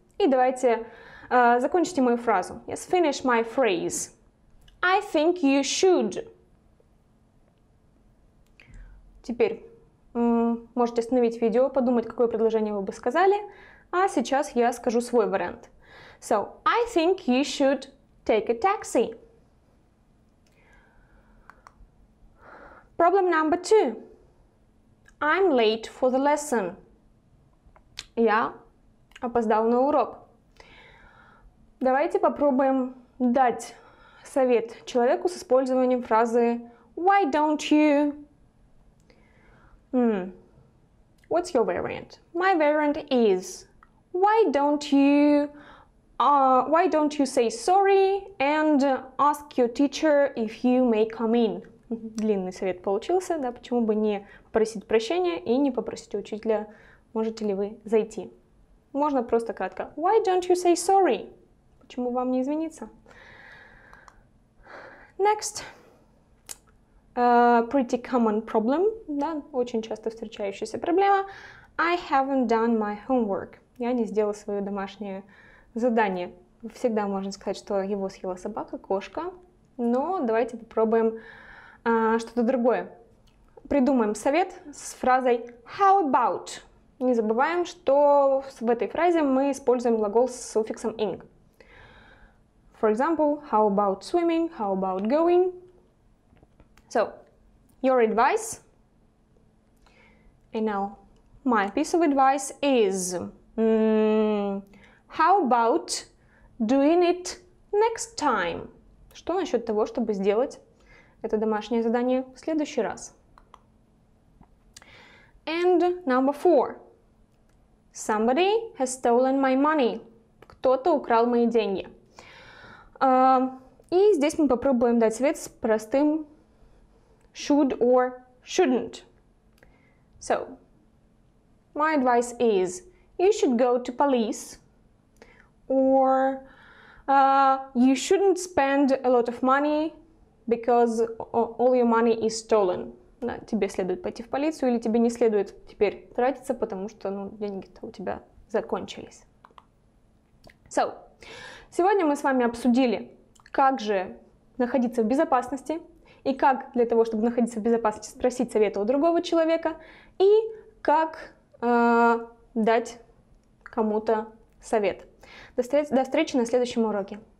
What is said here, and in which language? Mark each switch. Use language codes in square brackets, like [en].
[ru] И давайте закончите мою фразу. [en] Let's finish my phrase. I think you should. [ru] Теперь можете остановить видео, подумать, какое предложение вы бы сказали. А сейчас я скажу свой вариант. [en] So, I think you should take a taxi. Problem number two. I'm late for the lesson. [ru] Я опоздал на урок. Давайте попробуем дать совет человеку с использованием фразы [en] Why don't you? What's your variant? My variant is why don't you say sorry and ask your teacher if you may come in? [ru] Длинный совет получился, да? Почему бы не попросить прощения и не попросить учителя, можете ли вы зайти? Можно просто кратко. [en] Why don't you say sorry? [ru] Почему вам не извиниться? [en] Next. Pretty common problem, [ru] да, очень часто встречающаяся проблема. [en] I haven't done my homework. [ru] Я не сделала свое домашнее задание. Всегда можно сказать, что его съела собака, кошка. Но давайте попробуем что-то другое. Придумаем совет с фразой [en] how about. [ru] Не забываем, что в этой фразе мы используем глагол с суффиксом ing. [en] For example, how about swimming, how about going? So, your advice, and now my piece of advice is, how about doing it next time? [ru] Что насчет того, чтобы сделать это домашнее задание в следующий раз? [en] And number four. Somebody has stolen my money. [ru] Кто-то украл мои деньги. И здесь мы попробуем дать совет с простым [en] should or shouldn't. So, my advice is, you should go to police, or you shouldn't spend a lot of money because all your money is stolen. [ru] да, тебе следует пойти в полицию, или тебе не следует теперь тратиться, потому что, ну, деньги-то у тебя закончились. So, сегодня мы с вами обсудили, как же находиться в безопасности, и как для того, чтобы находиться в безопасности, спросить совета у другого человека, и как дать кому-то совет. До встречи на следующем уроке.